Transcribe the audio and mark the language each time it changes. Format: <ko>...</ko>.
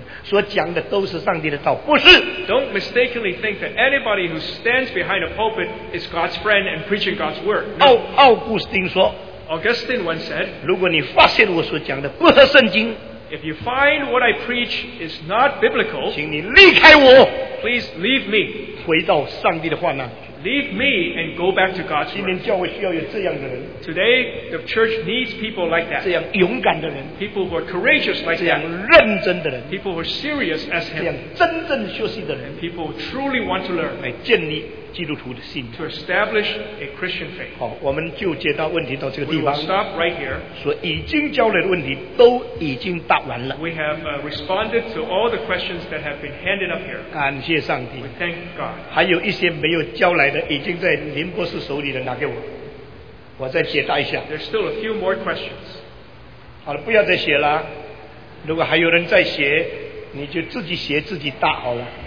<en>Don't mistakenly think that anybody who stands behind a pulpit is God's friend and preaching God's Word. No.</en> <zh>Augustine说,</zh> <en>Augustine once said,</en> <zh>如果你发现我所讲的不合圣经,</zh> <en>if you find what I preach is not biblical,</en> <zh>请你离开我,</zh> <en>please leave me.</en> <zh>回到上帝的话那里去,</zh> <en>leave me and go back to God's word.</en> <zh>今天教会需要有这样的人,</zh> <en>today, the church needs people like that.</en> <zh>这样勇敢的人,</zh> <en>people who are courageous like</en> <zh>这样认真的人,</zh> <en>that. People who are serious as him.</en> <zh>这样真正休息的人,</zh> <en>and people who truly want to learn.</en> <zh>来建立,</zh> <en>to establish a Christian faith.</en> <zh>好, 我们就接到问题到这个地方,</zh> <en>we will stop right here.</en> <zh>所以已经交流的问题都已经答完了。</zh> <en>We have responded to all the questions that have been handed up here.</en> <zh>感谢上帝。</zh> <en>We thank God.</en> <zh>还有一些没有交来的已经在林博士手里的拿给我, 我再解答一下。</zh> <en>There's still a few more questions.</en> <zh>好了, 不要再写了, 如果还有人再写, 你就自己写自己答好了。</zh>